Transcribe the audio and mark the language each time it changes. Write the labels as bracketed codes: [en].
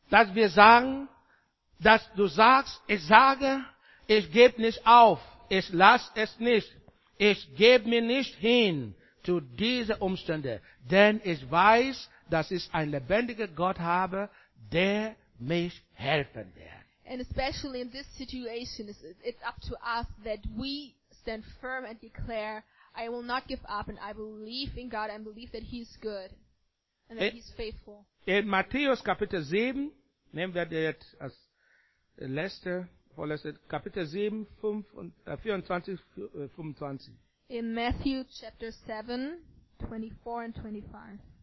[de] Dass wir sagen, dass du sagst, ich sage, ich gebe nicht auf, ich lasse es nicht, ich gebe mir nicht hin zu diesen Umständen, denn ich weiß, dass ich einen lebendigen Gott habe, der mich helfen wird. [en] And especially in this situation, it's up to us that we stand firm and declare, I will not give up and I believe in God and believe that he is good and that he is faithful. [de] In Matthäus Kapitel 7, nehmen wir das jetzt als vorletzte, Kapitel 7, 24, 25. [en] In Matthew chapter 7, 24 and 25.